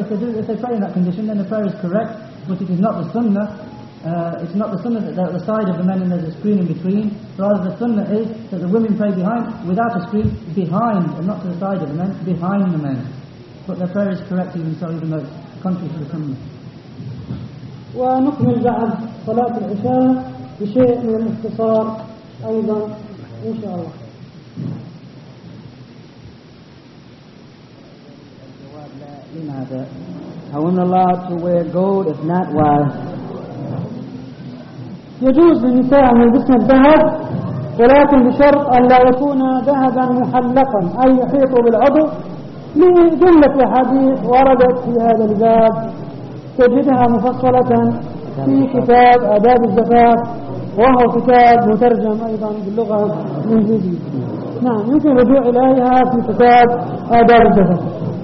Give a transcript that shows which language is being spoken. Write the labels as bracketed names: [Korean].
[English] If they pray in that condition, then the prayer is correct, but it is not the sunnah. It's not the sunnah that they're at the side of the men and there's a screen in between. Rather, the sunnah is that the women pray behind, without a screen, behind, and not to the side of the men, behind the men. But their prayer is correct even so, even though it's contrary to the sunnah. [Arabic] ونكمل بعد صلاة العشاء بشيء من الاختصار أيضا إن شاء الله. لماذا؟ [English] How am I allowed to wear gold if not why? [Arabic] يجوز للنساء أن يلبسن الذهب ولكن بشرط أن لا يكون ذهبا محلقا أي يحيط بالعضو لجملة أحاديث وردت في هذا الباب تجدها مفصلة في كتاب آداب الزكاة وهو كتاب مترجم أيضا باللغة الإنجليزية نعم يمكن الرجوع إليها في كتاب آداب الزكاة